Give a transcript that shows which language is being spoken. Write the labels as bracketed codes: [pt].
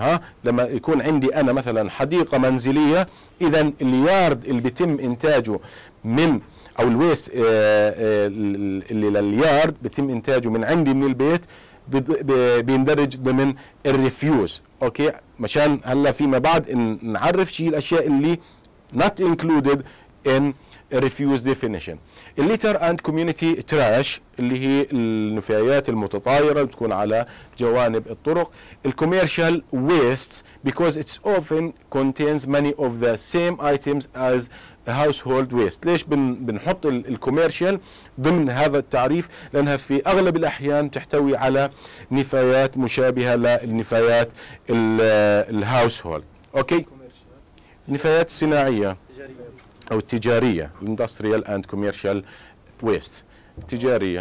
[ar] ها لما يكون عندي انا مثلا حديقه منزليه، اذا اليارد اللي بيتم انتاجه من او الويست اللي للليارد بيتم انتاجه من عندي من البيت بيندرج ضمن الريفيوز. اوكي مشان هلا فيما بعد نعرف شيء الاشياء اللي [en] not included in refuse definition. litter and community trash [ar] اللي هي النفايات المتطايره بتكون على جوانب الطرق. [en] commercial waste because it's often contains many of the same items as household waste. [ar] ليش بنحط الكوميرشال ضمن هذا التعريف؟ لأنها في أغلب الأحيان تحتوي على نفايات مشابهة للنفايات الهاوسهولد. أوكي نفايات صناعية أو تجارية [en] industrial and commercial waste [ar] تجارية.